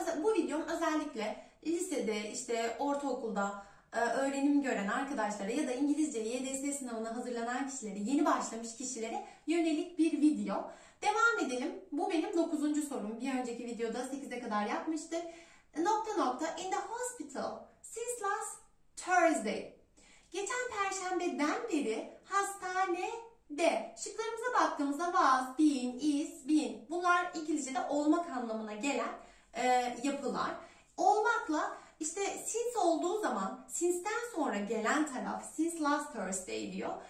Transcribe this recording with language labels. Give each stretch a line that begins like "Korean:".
Turkish: Bu videom özellikle lisede, işte ortaokulda öğrenim gören arkadaşlara ya da İngilizce YDS sınavına hazırlanan kişilere, yeni başlamış kişilere yönelik bir video. Devam edelim. Bu benim 9. sorum. Bir önceki videoda 8'e kadar yapmıştı.
English: In the hospital since last Thursday.
Turkish: Geçen perşembeden beri hastanede. Şıklarımıza baktığımızda was, been, is, been. Bunlar İngilizce'de olmak anlamına gelen yapılar. Olmakla işte since olduğu zaman since'ten sonra gelen taraf
English: since last Thursday
Turkish: diyor.